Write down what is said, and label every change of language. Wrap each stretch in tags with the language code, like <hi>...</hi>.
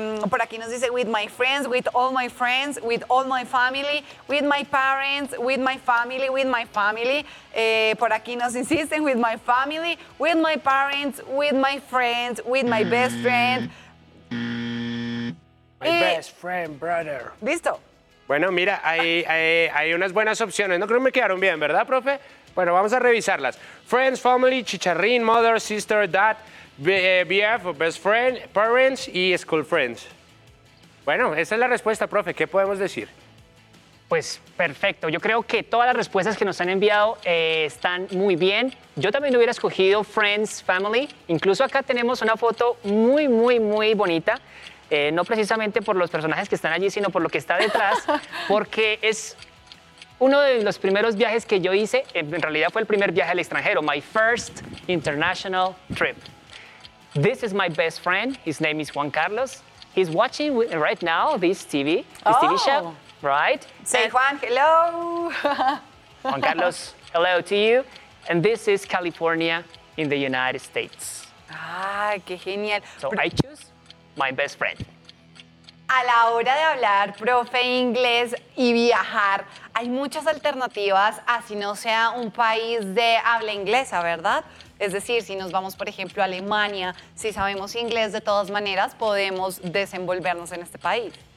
<es>Por aquí nos dice</es> <en>with my friends, with all my friends, with all my family, with my parents, with my family, with my family.</en> <es>Por aquí nos insisten</es> <en>with my family, with my parents, with my friends, with my best friend. My best friend, brother.</en> <es>¿Listo? Bueno, mira, hay unas buenas opciones. No creo que me quedaron bien, ¿verdad, profe? Bueno, vamos a revisarlas.</es> <en>Friends, family, Chicharrín, mother, sister, dad, BF, best friend, parents y school friends.</en> <es>Bueno, esa es la respuesta, profe. ¿Qué podemos decir? Pues, perfecto. Yo creo que todas las respuestas que nos han enviado están muy bien. Yo también hubiera escogido friends, family. Incluso acá tenemos una foto muy, muy, muy bonita. No precisamente por los personajes que están allí, sino por lo que está detrás, porque es uno de los primeros viajes que yo hice. En realidad fue el primer viaje al extranjero.</es> <en>My first international trip. This is my best friend. His name is Juan Carlos. He's watching right now this TV, this TV show, right? Say, and Juan, hello. Juan Carlos, hello to you. And this is California in the United States.</en> <es>Ah, qué genial.</es> <en>So I choose my best friend.</en> <es>A la hora de hablar, profe, inglés y viajar, hay muchas alternativas a si no sea un país de habla inglesa, ¿verdad? Es decir, si nos vamos, por ejemplo, a Alemania, si sabemos inglés, de todas maneras, podemos desenvolvernos en este país.</es>